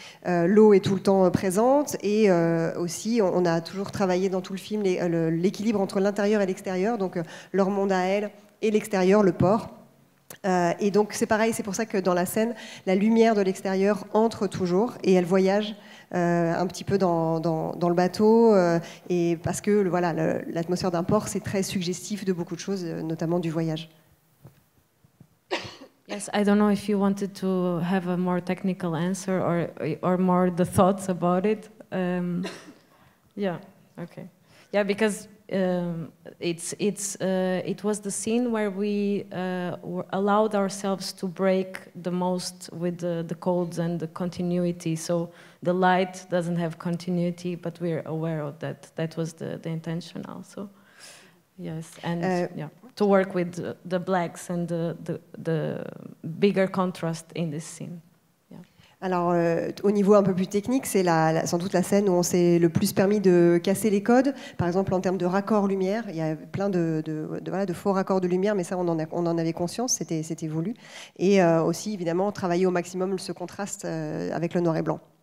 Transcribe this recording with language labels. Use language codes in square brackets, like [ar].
[fr] L'eau est tout le temps présente et aussi on a toujours travaillé dans tout le film l'équilibre entre l'intérieur et l'extérieur, donc leur monde à elles et l'extérieur, le port. Et donc c'est pareil, c'est pour ça que dans la scène, la lumière de l'extérieur entre toujours et elle voyage un petit peu dans le bateau. Et parce que voilà, l'atmosphère d'un port, c'est très suggestif de beaucoup de choses, notamment du voyage. [en] Yes, I don't know if you wanted to have a more technical answer or more the thoughts about it. Okay. Yeah, because. It was the scene where we allowed ourselves to break the most with the codes and the continuity. So the light doesn't have continuity, but we're aware of that. That was the intention also. Yes, and to work with the blacks and the bigger contrast in this scene. [fr] Alors, au niveau un peu plus technique, c'est sans doute la scène où on s'est le plus permis de casser les codes. Par exemple, en termes de raccords lumière, il y a plein de faux raccords de lumière, mais ça, on en avait conscience, c'était voulu. Et aussi, évidemment, travailler au maximum ce contraste avec le noir et blanc.